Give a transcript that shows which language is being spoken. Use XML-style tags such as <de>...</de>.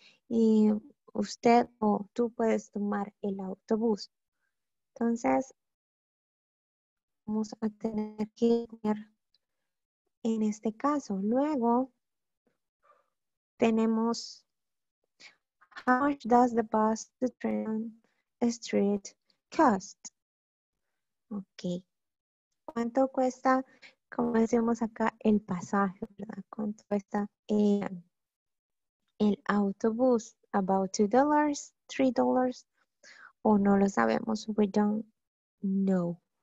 <es>Y usted o tú puedes tomar el autobús. Entonces, vamos a tener que ir en este caso. Luego, tenemos,</es> <en>how much does the bus to Trenton street cost. Okay.</en> <es>¿Cuánto cuesta, como decimos acá, el pasaje, verdad? ¿Cuánto cuesta el autobús?</es> <en>About $2, $3,</en> <es>o no lo sabemos,</es> <en>we don't know.</en>